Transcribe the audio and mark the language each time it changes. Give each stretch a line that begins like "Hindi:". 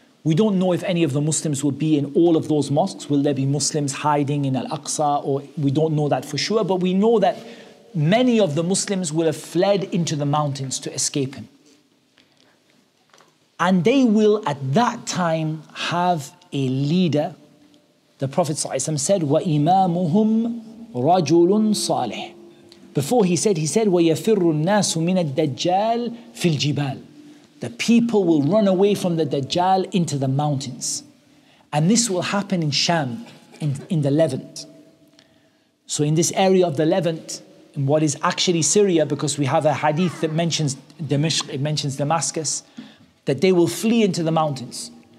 English: We don't know if any of the Muslims will be in all of those mosques. Will there be Muslims hiding in Al-Aqsa? Or we don't know that for sure. But we know that many of the Muslims will have fled into the mountains to escape him. And they will at that time have a leader. The Prophet ﷺ said,
Arabic: وَإِمَامُهُمْ رَجُلٌ صَالِحٌ.
English: Before he said,
Arabic: وَيَفِرُّ النَّاسُ مِنَ الدَّجَّالِ فِي الْجِبَالِ.
English: The people will run away from the Dajjal into the mountains. And this will happen in Sham, in the Levant. So in this area of the Levant, in what is actually Syria, because we have a hadith that mentions Dimashq, it mentions Damascus, that they will flee into the mountains.